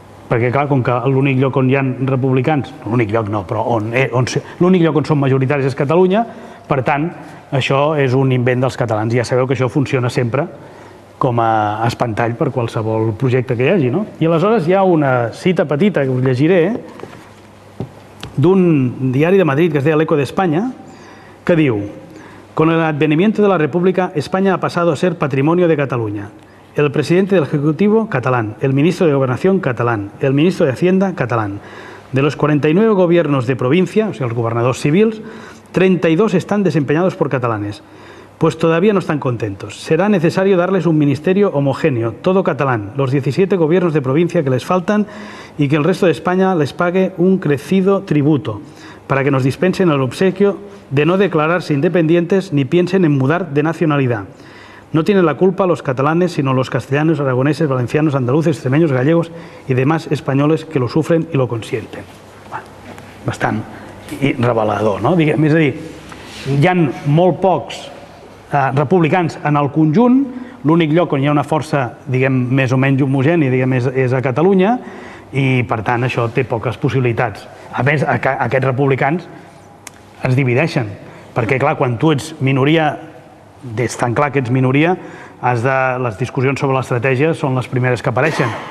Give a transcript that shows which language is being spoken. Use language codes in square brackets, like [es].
[ca] Perquè, clar, com que l'únic lloc on hi ha republicans, l'únic lloc no, però on l'únic lloc on són majoritaris és Catalunya, per tant, això és un invent dels catalans. Ja sabeu que això funciona sempre com a espantall per qualsevol projecte que hi hagi, no? I aleshores hi ha una cita petita que us llegiré d'un diari de Madrid que es deia L'Eco d'Espanya, que diu: [es] con el advenimiento de la República, España ha pasado a ser patrimonio de Cataluña. El presidente del Ejecutivo, catalán. El ministro de Gobernación, catalán. El ministro de Hacienda, catalán. De los 49 gobiernos de provincia, o sea, los gobernadores civiles, 32 están desempeñados por catalanes, pues todavía no están contentos. Será necesario darles un ministerio homogéneo, todo catalán, los 17 gobiernos de provincia que les faltan y que el resto de España les pague un crecido tributo para que nos dispensen el obsequio de no declararse independientes ni piensen en mudar de nacionalidad. No tienen la culpa los catalanes, sino los castellanos, aragoneses, valencianos, andaluces, extremeños, gallegos y demás españoles que lo sufren y lo consienten. [ca] Bastant revelador, no? Diguem, és a dir, hi ha molt pocs republicans en el conjunt, l'únic lloc on hi ha una força, diguem, més o menys homogènia, diguem, és a Catalunya, i per tant això té poques possibilitats. A més, aquests republicans es divideixen, perquè clar, quan tu ets minoria, des tan clar que ets minoria, les discussions sobre l'estratègia són les primeres que apareixen.